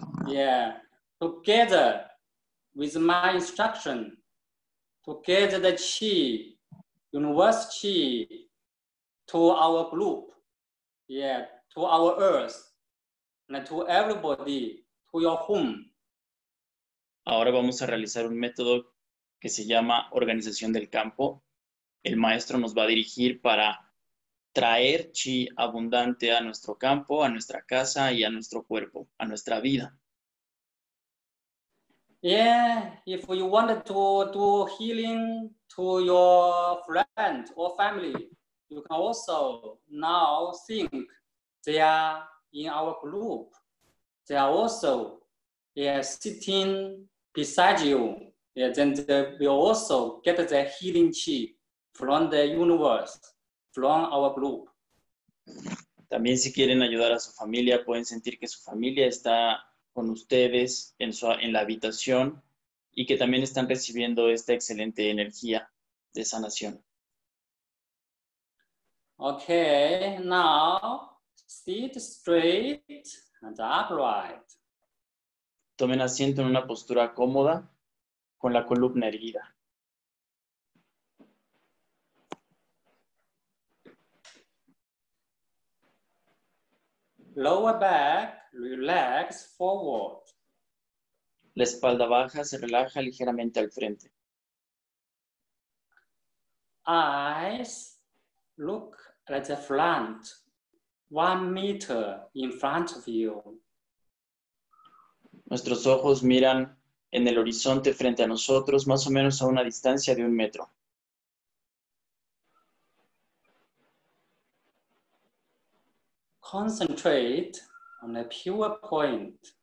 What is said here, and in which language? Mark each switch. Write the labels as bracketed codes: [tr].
[en] Yeah, together with my instruction, to get the chi, universe chi, to our group, yeah, to our earth, and to everybody, to your home. [es] Ahora vamos a realizar un método que se llama organización del campo. El maestro nos va a dirigir para traer chi abundante a nuestro campo, a nuestra casa y a nuestro cuerpo, a nuestra vida. [en] Yeah, if you wanted to do healing to your friend or family, you can also now think they are in our group. They are also, yeah, sitting beside you, yeah, then they will also get the healing chi from the universe, from our group. [es] También si quieren ayudar a su familia, pueden sentir que su familia está con ustedes en la habitación y que también están recibiendo esta excelente energía de sanación. [en] Okay, now sit straight and upright. [es] Tomen asiento en una postura cómoda con la columna erguida. [en] Lower back, relax forward. [es] La espalda baja se relaja ligeramente al frente. [en] Eyes Look at the front, 1 meter in front of you. [es] Nuestros ojos miran en el horizonte frente a nosotros, más o menos a una distancia de 1 metro. [en] Concentrate on a pure point.